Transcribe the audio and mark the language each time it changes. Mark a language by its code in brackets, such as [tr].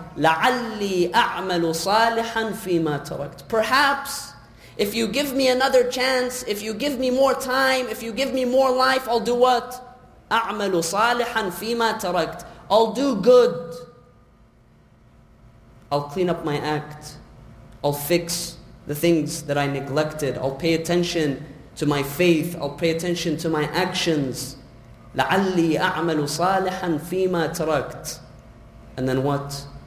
[ar] لَعَلِّي أَعْمَلُ صَالِحًا فِي مَا تَرَكْتُ [en] Perhaps, if you give me another chance, if you give me more time, if you give me more life, I'll do what? [ar] أَعْمَلُ صَالِحًا فِي مَا تَرَكْتُ [en] I'll do good. I'll clean up my act. I'll fix the things that I neglected. I'll pay attention to my faith. I'll pay attention to my actions. [ar] لَعَلِّي أَعْمَلُ صَالِحًا فِي مَا تَرَكْتُ [en] And then what?